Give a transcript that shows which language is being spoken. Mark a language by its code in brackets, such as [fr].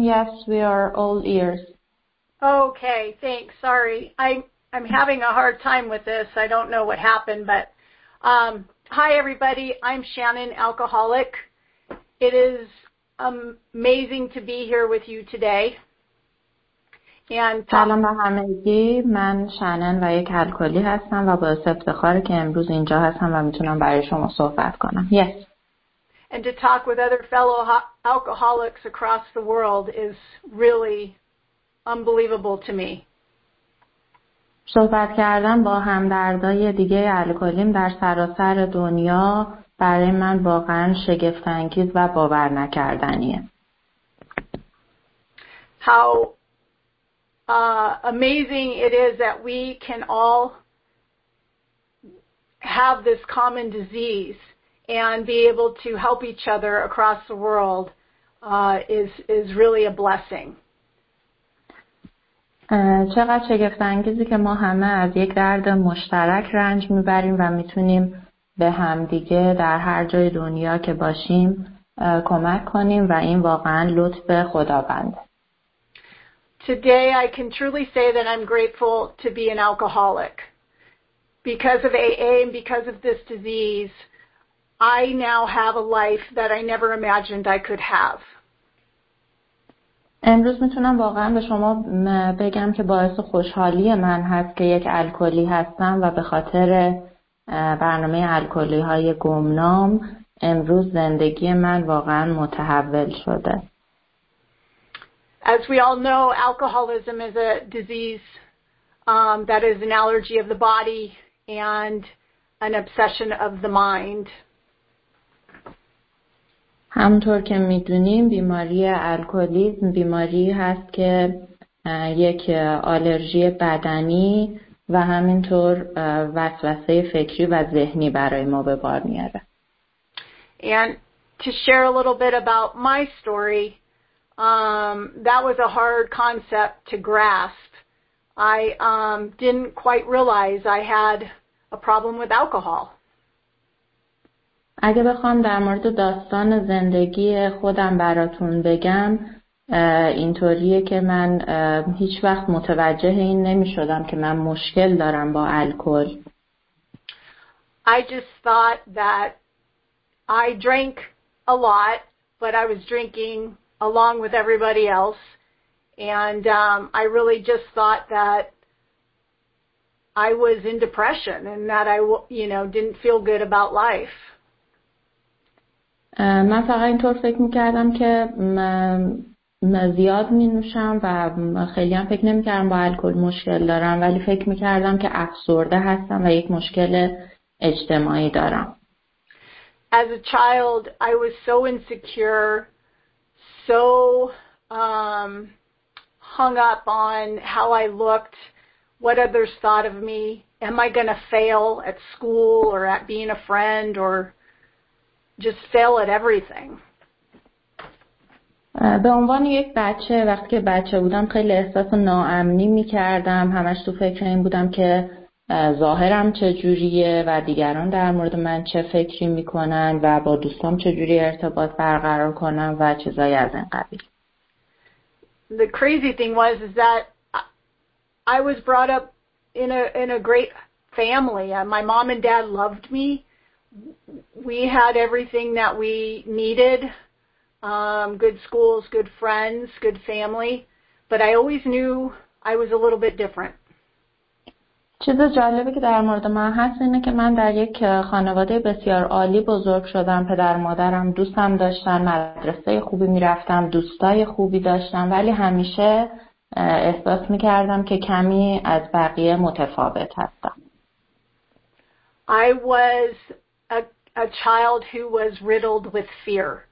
[en] Yes, we are all ears. Okay, thanks. Sorry. I'm having a hard time with this. I don't know what happened, but hi everybody. I'm Shannon, alcoholic. It is amazing to be here with you today. [fa] سلام به همگی، من شنن و یک الکلی هستم و با افتخار که امروز اینجا هستم و میتونم برای شما صحبت کنم. [en] Yes. And to talk with other fellow alcoholics across the world is really unbelievable to me. [fa] صحبت کردن با همدردای دیگه الکلیم در سراسر دنیا برای من واقعا شگفت انگیز و باور نکردنیه. [en] How amazing it is that we can all have this common disease and be able to help each other across the world is really a blessing. [fa] چقدر شگفت انگیزی که ما همه از یک درد مشترک رنج میبریم و میتونیم به همدیگه در هر جای دنیا که باشیم کمک کنیم و این واقعا لطف خداوند. [en] Today I can truly say that I'm grateful to be an alcoholic. Because of AA and because of this disease, I now have a life that I never imagined I could have. [fa] امروز میتونم واقعا به شما بگم که باعث خوشحالی من هست که یک الکلی هستم و به خاطر برنامه الکلی های گمنام امروز زندگی من واقعا متحول شده. [en] As we all know, alcoholism is a disease that is an allergy of the body and an obsession of the mind. [fa] همونطور که میدونیم بیماری الکلیسم بیماری هست که یک آلرژی بدنی و همینطور وسوسه فکری و ذهنی برای ما به بار میاره. [en] And to share a little bit about my story, that was a hard concept to grasp. I didn't quite realize I had a problem with alcohol. [fa] اگه بخوام در مورد داستان زندگی خودم براتون بگم اینطوریه که من هیچ وقت متوجه این نمی‌شدم که من مشکل دارم با الکل. [en] I just thought that I drank a lot, but I was drinking along with everybody else, and I really just thought that I was in depression and that I, you know, didn't feel good about life. [fa] من فقط اینطور فکر میکردم که من زیاد مینوشم و خیلی هم فکر نمیکردم با الکل مشکل دارم، ولی فکر میکردم که افسرده هستم و یک مشکل اجتماعی دارم. [en] As a child, I was so insecure. So hung up on how I looked, what others thought of me, am I going to fail at school or at being a friend or just fail at everything. [fa] به عنوان یک بچه وقتی که بچه بودم خیلی احساس ناامنی می‌کردم، همش تو فکر این بودم که ظاهرم چجوریه و دیگران در مورد من چه فکری میکنن و با دوستام چجوری ارتباط برقرار کنم و چیزای از این قبیل. [en] The crazy thing was is that I was brought up in a great family. My mom and dad loved me. We had everything that we needed. Good schools, good friends, good family, but I always knew I was a little bit different. [fa] چیز جالبی که در مورد من هست اینه که من در یک خانواده بسیار عالی بزرگ شدم. پدر مادرم دوستم داشتن، مدرسه خوبی می رفتم، دوستای خوبی داشتم، ولی همیشه احساس می کردم که کمی از بقیه متفاوت هستم. [en] I was a child who was riddled with fear.